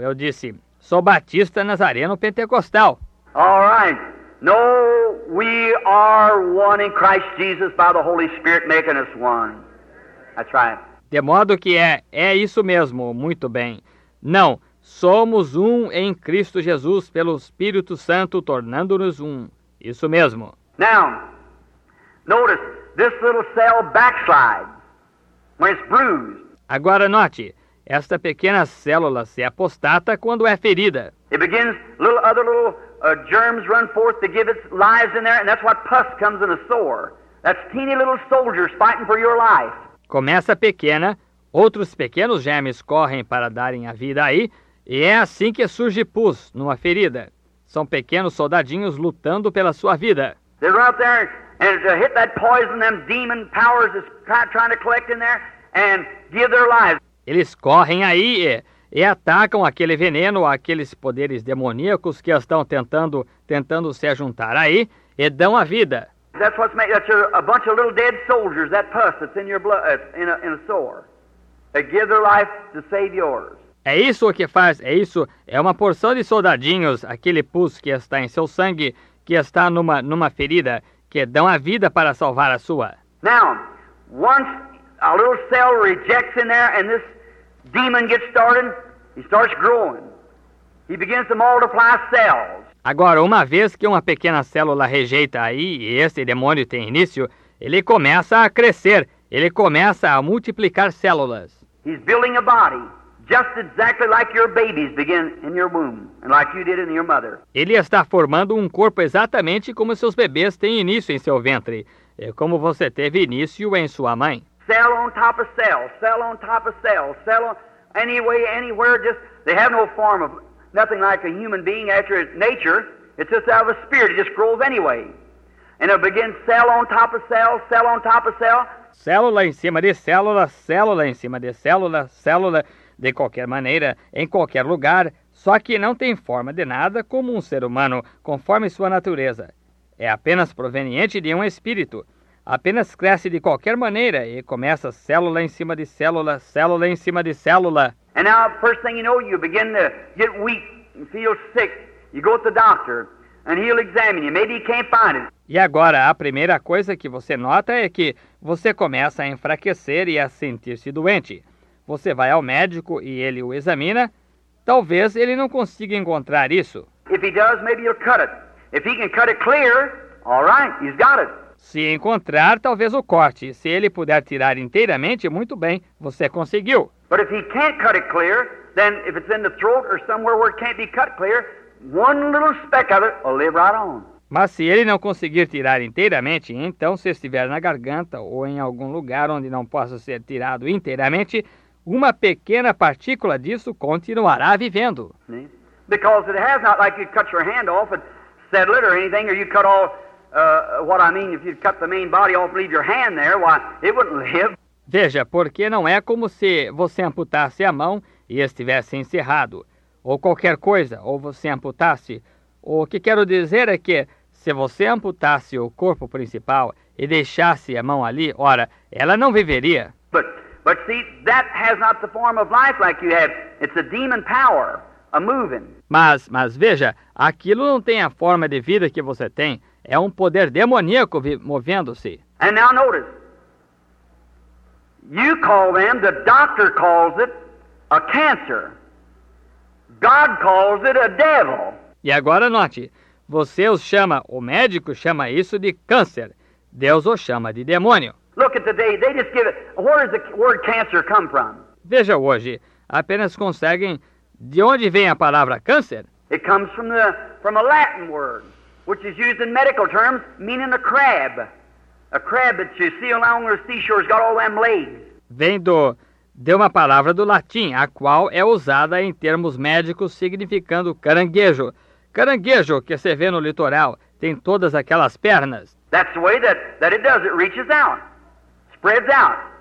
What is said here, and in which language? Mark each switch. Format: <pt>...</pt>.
<pt>Eu disse, sou batista nazareno pentecostal.</pt> <en>All right. No, we are one in Christ Jesus by the Holy Spirit making us one. That's right.</en> <pt>De modo que é isso mesmo. Muito bem. Não, somos um em Cristo Jesus pelo Espírito Santo tornando-nos um. Isso mesmo.</pt> <en>Now, notice this little cell backslides when it's bruised.</en> <pt>Agora note, esta pequena célula se apostata quando é ferida.</pt> <en>It begins little other little germs run forth to give its lives in there, and that's what pus comes in a sore. That's teeny little soldiers fighting for your life.</en> <pt>Começa pequena, outros pequenos germes correm para darem a vida aí, e é assim que surge pus numa ferida. São pequenos soldadinhos lutando pela sua vida.</pt> <en>They're out there and to hit that poison, them demon powers is trying to collect in there and give their lives.</en> <pt>Eles correm aí e atacam aquele veneno, aqueles poderes demoníacos que estão tentando se juntar aí e dão a vida.</pt> <en>That's what's made, that's a bunch of little dead soldiers, that pus that's in your blood, in a sore. They give their life to save yours.</en> <pt>É isso o que faz, é isso, é uma porção de soldadinhos, aquele pus que está em seu sangue, que está numa ferida, que dão a vida para salvar a sua.</pt> <en>Now, once a little cell rejects in there and this demon gets started, he starts growing. He begins to multiply cells.</en> <pt>Agora, uma vez que uma pequena célula rejeita aí e esse demônio tem início, ele começa a crescer, ele começa a multiplicar células.</pt> <en>He's building a body. Just exactly like your babies begin in your womb, and like you did in your mother.</en> <pt>Ele está formando um corpo exatamente como seus bebês têm início em seu ventre, e como você teve início em sua mãe.</pt> <en>Cell on top of cell, cell on top of cell, cell on, any way, anywhere, just, they have no form of, nothing like a human being after its nature, it's just out of a spirit, it just grows anyway. And it begins cell on top of cell, cell on top of cell.</en> <pt>Célula em cima de célula, célula em cima de célula, célula. De qualquer maneira, em qualquer lugar, só que não tem forma de nada como um ser humano, conforme sua natureza. É apenas proveniente de um espírito. Apenas cresce de qualquer maneira e começa célula em cima de célula, célula em cima de célula.</pt> <en>And now, first thing you know, you begin to get weak and feel sick. You go to the doctor and he'll examine you. Maybe he can't find it.</en> <pt>E agora, a primeira coisa que você nota é que você começa a enfraquecer e a sentir-se doente. Você vai ao médico e ele o examina. Talvez ele não consiga encontrar isso.</pt> <en>If he does, maybe he'll cut it. If he can cut it clear, all right, he's got it.</en> <pt>Se encontrar, talvez o corte. Se ele puder tirar inteiramente, muito bem, você conseguiu.</pt> <en>But if he can't cut it clear, then if it's in the throat or somewhere where it can't be cut clear, one little speck of it will live right on.</en> <pt>Mas se ele não conseguir tirar inteiramente, então se estiver na garganta ou em algum lugar onde não possa ser tirado inteiramente, uma pequena partícula disso continuará vivendo.</pt> <en>Because it has not, like you cut your hand off and settle it or anything, or you cut all, what I mean, if you cut the main body off and leave your hand there, why, it wouldn't live.</en> <pt>Veja, porque não é como se você amputasse a mão e estivesse encerrado, ou qualquer coisa, ou você amputasse. O que quero dizer é que, se você amputasse o corpo principal e deixasse a mão ali, ora, ela não viveria.</pt> <en>But see, that has not the form of life like you have. It's a demon power, a moving.</en> <pt>Mas veja, aquilo não tem a forma de vida que você tem. É um poder demoníaco movendo-se.</pt> <en>And now notice, you call them, the doctor calls it a cancer. God calls it a devil.</en> <pt>E agora note, você os chama, o médico chama isso de câncer. Deus os chama de demônio.</pt> <en>Look at today, they just give it, where does the word cancer come from?</en> <pt>Veja hoje, apenas conseguem, de onde vem a palavra câncer?</pt> <en>It comes from a Latin word, which is used in medical terms, meaning a crab. A crab that you see along the seashore has got all them legs.</en> <pt>Vem de uma palavra do latim, a qual é usada em termos médicos significando caranguejo. Caranguejo, que você vê no litoral, tem todas aquelas pernas.</pt> <en>That's the way that it does, it reaches out. Spreads out.</en>